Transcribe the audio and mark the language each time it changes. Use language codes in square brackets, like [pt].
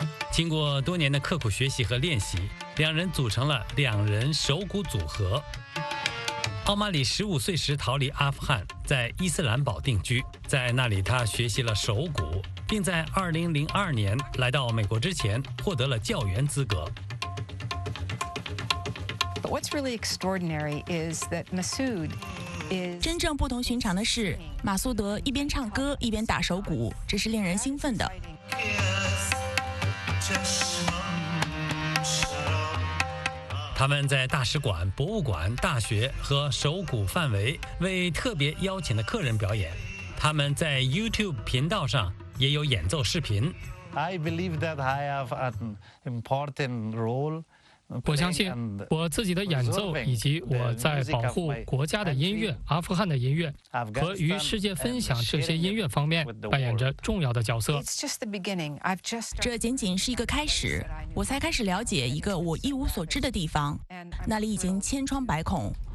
[zh] 经过多年的刻苦学习和练习，两人组成了两人手鼓组合。奥马里十五岁时逃离阿富汗，在伊斯兰堡定居，在那里他学习了手鼓，并在2002年来到美国之前获得了教员资格。 [en] What's really extraordinary is that Masood is [zh] 真正不同寻常的是，马苏德一边唱歌一边打手鼓，这是令人兴奋的。他们在大使馆、博物馆、大学和手鼓范围为特别邀请的客人表演。他们在 YouTube 频道上也有演奏视频。 [en] I believe that I have an important role. [zh] 我相信我自己的演奏以及我在保护国家的音乐、阿富汗的音乐和与世界分享这些音乐方面扮演着重要的角色。这仅仅是一个开始，我才开始了解一个我一无所知的地方，那里已经千疮百孔。